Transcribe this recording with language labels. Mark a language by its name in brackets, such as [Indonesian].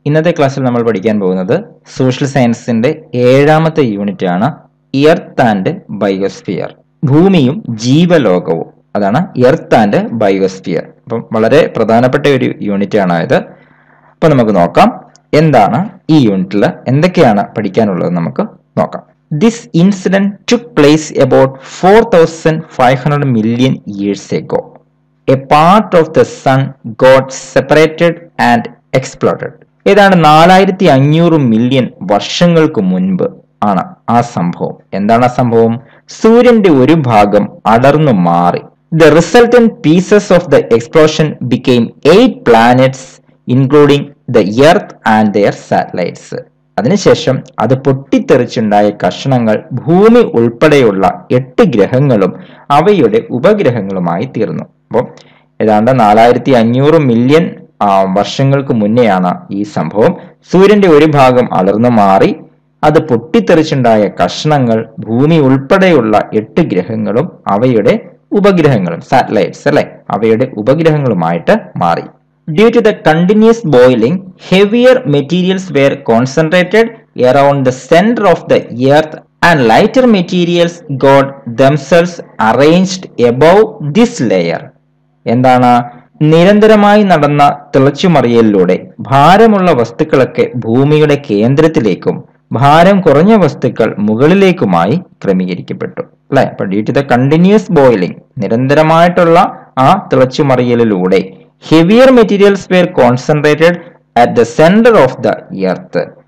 [Malayalam] ഇന്നത്തെ ക്ലാസ്സിൽ നമ്മൾ പഠിക്കാൻ പോകുന്നത് സോഷ്യൽ സയൻസിന്റെ ഏഴാമത്തെ യൂണിറ്റ് ആണ് [English] Earth and biosphere. [Malayalam] ഭൂമിയും ജീവലോകവും, അതാണ് [English] Earth and biosphere. [Malayalam] അപ്പം വളരെ പ്രധാനപ്പെട്ട ഒരു യൂണിറ്റ് ആണ് ഇത്. അപ്പൊ നമുക്ക് നോക്കാം എന്താണ് ഈ യൂണിറ്റിൽ എന്തൊക്കെയാണ് പഠിക്കാനുള്ളത് നമുക്ക് നോക്കാം. [English] This incident took place about 4,500 million years ago. A part of the sun got separated and exploded. [Malayalam] ഇതാണ് 4,500 മില്യൺ വർഷങ്ങൾക്ക് മുൻപ് ആണ് ആ സംഭവം. എന്താണ് ആ സംഭവം? സൂര്യന്റെ ഒരു ഭാഗം അടർന്നു മാറി. [English] The resultant pieces of the explosion became 8 planets, including the Earth and their satellites. [Malayalam] അതിനുശേഷം അത് പൊട്ടിത്തെറിച്ചുണ്ടായ കഷണങ്ങൾ ഭൂമി ഉൾപ്പെടെയുള്ള 8 ഗ്രഹങ്ങളും അവയുടെ ഉപഗ്രഹങ്ങളുമായി തീർന്നു. അപ്പോൾ ഏതാണ്ട് 4,500 മില്യൺ വർഷങ്ങൾക്ക് മുന്നെയാണ് ഈ സംഭവം. സൂര്യന്റെ ഒരു ഭാഗം അലർന്നു മാറി. അത് പൊട്ടിത്തെറിച്ചുണ്ടായ കഷണങ്ങൾ ഭൂമി ഉൾപ്പെടെയുള്ള 8 ഗ്രഹങ്ങളും അവയുടെ ഉപഗ്രഹങ്ങളും, സാറ്റലൈറ്റ്സ് അല്ലെ, അവയുടെ ഉപഗ്രഹങ്ങളുമായിട്ട് മാറി. [English] Due to the continuous boiling, heavier materials were concentrated around the center of the earth and lighter materials got themselves arranged above this layer. [Malayalam] എന്താണ്? നിരന്തരമായി നടന്ന തിളച്ചുമറിയലിലൂടെ ഭാരമുള്ള വസ്തുക്കളൊക്കെ ഭൂമിയുടെ കേന്ദ്രത്തിലേക്കും ഭാരം കുറഞ്ഞ വസ്തുക്കൾ മുകളിലേക്കുമായി ക്രമീകരിക്കപ്പെട്ടു അല്ലെ. അപ്പൊ [English] due to the continuous boiling, [Malayalam] നിരന്തരമായിട്ടുള്ള ആ തിളച്ചുമറിയലിലൂടെ [English] Heavier materials were concentrated at the centre of the earth.